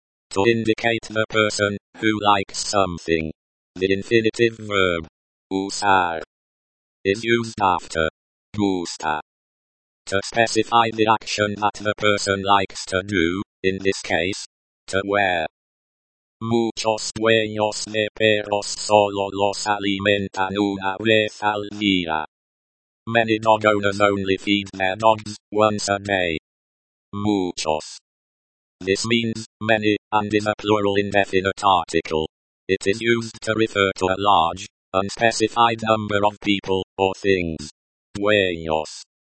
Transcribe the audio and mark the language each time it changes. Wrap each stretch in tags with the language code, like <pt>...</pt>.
<en>To indicate the person, who likes something. The infinitive verb. Usar. Is used after. Gusta. To specify the action that the person likes to do, in this case, to wear.</en> <es>Muchos dueños de perros solo los alimentan una vez al día.</es> <en>Many dog owners only feed their dogs once a day. Muchos. This means many and is a plural indefinite article. It is used to refer to a large, unspecified number of people or things. Dueños.</en>